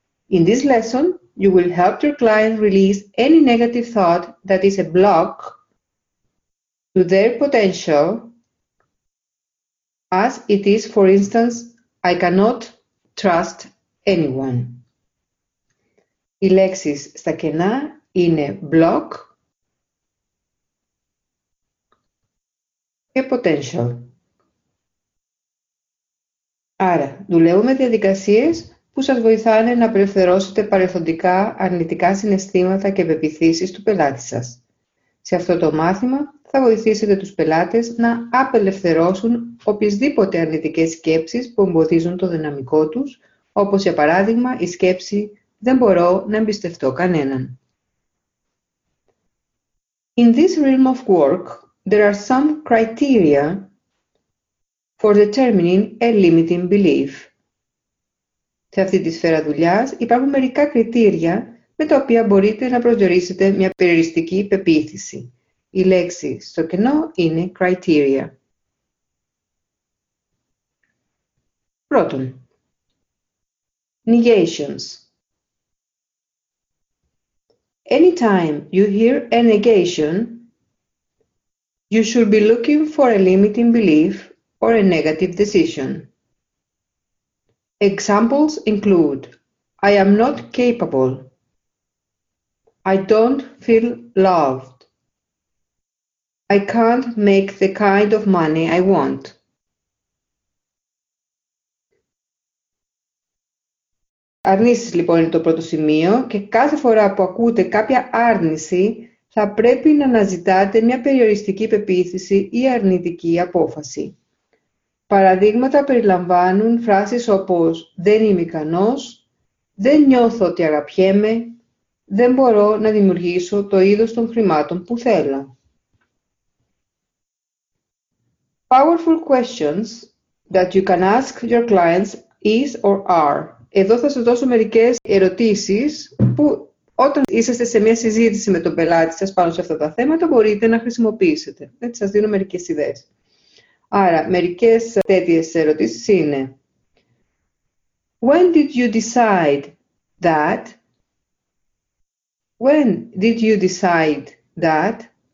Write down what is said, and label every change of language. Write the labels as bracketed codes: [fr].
[en] In this lesson, you will help your client release any negative thought that is a block to their potential, as it is, for instance, I cannot trust anyone. [el] Οι λέξεις στα κενά είναι block, και potential. Άρα, δουλεύουμε διαδικασίες που σας βοηθάνε να απελευθερώσετε παρελθοντικά αρνητικά συναισθήματα και πεπιθήσεις του πελάτη σας. Σε αυτό το μάθημα θα βοηθήσετε τους πελάτες να απελευθερώσουν οποιασδήποτε αρνητικές σκέψεις που εμποδίζουν το δυναμικό τους, όπως για παράδειγμα η σκέψη «Δεν μπορώ να εμπιστευτώ κανέναν». [en] In this realm of work, there are some criteria for determining a limiting belief. [el] Σε αυτή τη σφαίρα δουλειάς υπάρχουν μερικά κριτήρια με τα οποία μπορείτε να προσδιορίσετε μια περιοριστική πεποίθηση. Η λέξη στο κενό είναι criteria. Πρώτον, negations. [en] Anytime you hear a negation, you should be looking for a limiting belief or a negative decision. Examples include, I am not capable. I don't feel loved. I can't make the kind of money I want. [el] Αρνήσεις λοιπόν είναι το πρώτο σημείο και κάθε φορά που ακούτε κάποια άρνηση, θα πρέπει να αναζητάτε μια περιοριστική πεποίθηση ή αρνητική απόφαση. Παραδείγματα περιλαμβάνουν φράσεις όπως «Δεν είμαι ικανός», «Δεν νιώθω ότι αγαπιέμαι», «Δεν μπορώ να δημιουργήσω το είδος των χρημάτων που θέλω». [en] Powerful questions that you can ask your clients is or are. [el] Εδώ θα σας δώσω μερικές ερωτήσεις που όταν είσαστε σε μια συζήτηση με τον πελάτη σας πάνω σε αυτά τα θέματα, μπορείτε να χρησιμοποιήσετε. Έτσι, σας δίνω μερικές ιδέες. Άρα, μερικές τέτοιες ερωτήσεις είναι [en] When did you decide that?